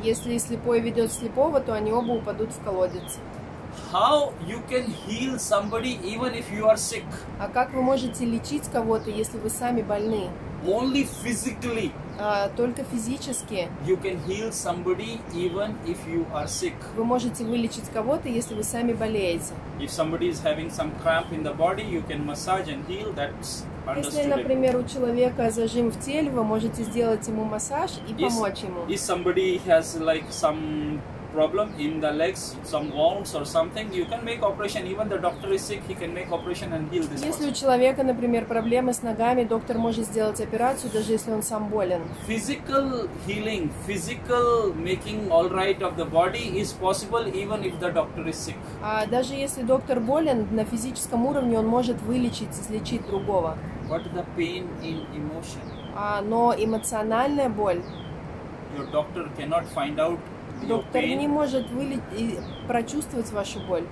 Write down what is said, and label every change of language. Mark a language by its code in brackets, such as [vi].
[ru] Если слепой ведет слепого, то они оба упадут в колодец. [en] How you can heal somebody even if you are sick? [ru] А как вы можете лечить кого-то, если вы сами больны? [en] Only physically. [ru] Только физически. [en] You can heal somebody even if you are sick. [ru] Вы можете вылечить кого-то, если вы сами болеете. [en] If somebody is having some cramp in the body, you can massage and heal. That's understood. [ru] Если, например, у человека зажим в теле, вы можете сделать ему массаж и помочь ему. [en] If somebody has like some problem in the legs, some wounds or something, you can make operation. Even the doctor is sick, he can make operation and heal this. [ru] Если у человека, например, проблемы с ногами, доктор может сделать операцию, даже если он сам болен. [en] Physical healing, physical making all right of the body is possible even if the doctor is sick. [ru] А даже если доктор болен, на физическом уровне он может вылечить, излечить другого. [en] What the pain in emotion? [ru] Но эмоциональная боль. [en] Your doctor cannot find out. [ru] Доктор не может прочувствовать вашу боль.